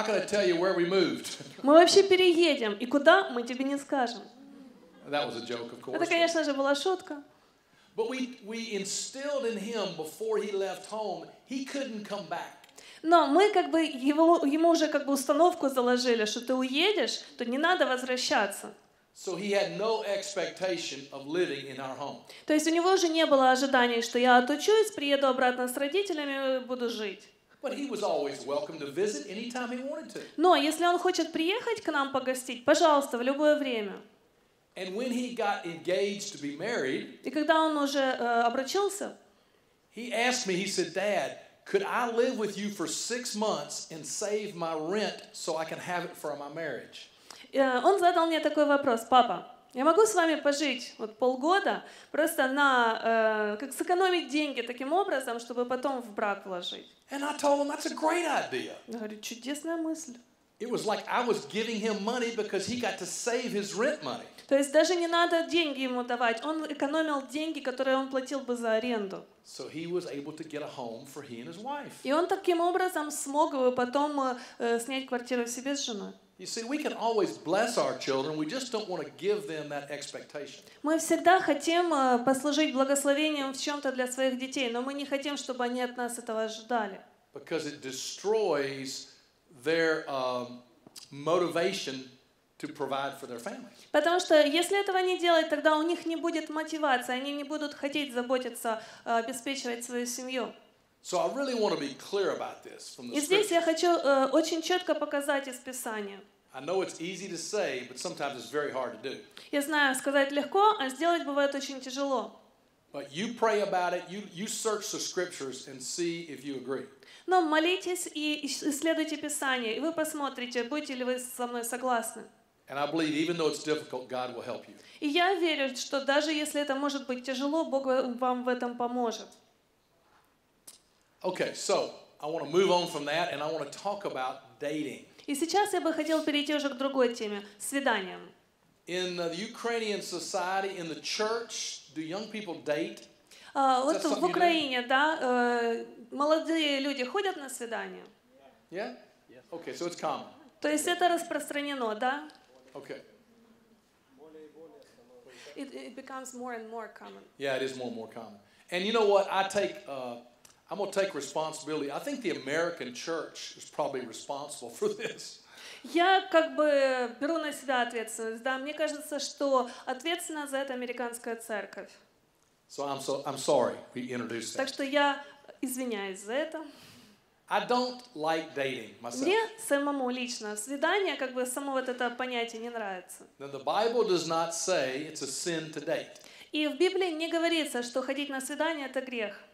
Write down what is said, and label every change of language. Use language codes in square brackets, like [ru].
[ru] Мы вообще переедем, и куда, мы тебе не скажем. Это, конечно же, была шутка. [en] But we instilled in him before he left home, he couldn't come back. [ru] Но мы как бы ему уже как бы установку заложили, что ты уедешь, то не надо возвращаться. [en] So he had no expectation of living in our home. [ru] То есть у него уже не было ожиданий, что я отучусь, приеду обратно с родителями и буду жить. [en] But he was always welcome to visit anytime he wanted to. [ru] Но если он хочет приехать к нам погостить, пожалуйста, в любое время. [en] And when he got engaged to be married, [ru] и когда он уже обручился, [en] he asked me, he said, Dad, could I live with you for 6 months and save my rent so I can have it for my marriage? [ru] Он задал мне такой вопрос: папа, я могу с вами пожить вот полгода, просто на как сэкономить деньги таким образом, чтобы потом в брак вложить? [en] And I told him, that's a great idea. [ru] Я говорю, чудесная мысль. [en] It was like I was giving him money because he got to save his rent money. [ru] То есть даже не надо деньги ему давать, он экономил деньги, которые он платил бы за аренду. [en] So he was able to get a home for he and his wife. [ru] И он таким образом смог бы потом снять квартиру себе с женой. [en] You see, we can always bless our children. We just don't want to give them that expectation. [ru] Мы всегда хотим послужить благословением в чем-то для своих детей, но мы не хотим, чтобы они от нас этого ожидали. [en] Because it destroys their motivation to provide for their family. [ru] Потому что если этого не делать, тогда у них не будет мотивации, они не будут хотеть заботиться, обеспечивать свою семью. [en] So I really want to be clear about this from the scripture. [ru] И здесь я хочу очень четко показать из Писания. [en] I know it's easy to say, but sometimes it's very hard to do. [ru] Я знаю, сказать легко, а сделать бывает очень тяжело. [en] But you pray about it. You search the scriptures and see if you agree. [ru] Но молитесь и исследуйте Писание, и вы посмотрите, будете ли вы со мной согласны. [en] And I believe, even though it's difficult, God will help you. [ru] И я верю, что даже если это может быть тяжело, Бог вам в этом поможет. [en] Okay, so I want to move on from that, and I want to talk about dating. [ru] И сейчас я бы хотел перейти уже к другой теме – свиданиям. [en] In the Ukrainian society, in the church, do young people date? [ru] Вот в Украине, да, молодые люди ходят на свидания. [en] Yeah? Okay, so it's common. [ru] То есть это распространено, да? [en] Okay. It becomes more and more common. Yeah, it is more and more common. And you know what? I'm going to take responsibility. I think the American church is probably responsible for this. [ru] Я как бы беру на себя ответственность. Да, мне кажется, что ответственна за это американская церковь. [en] So I'm sorry we introduced that. [ru] Так что я извиняюсь за это. [en] I don't like dating myself. [ru] Мне самому лично свидание, как бы само вот это понятие не нравится. [en] Now the Bible does not say it's a sin to date. [ru] И в Библии не говорится, что ходить на свидание это грех.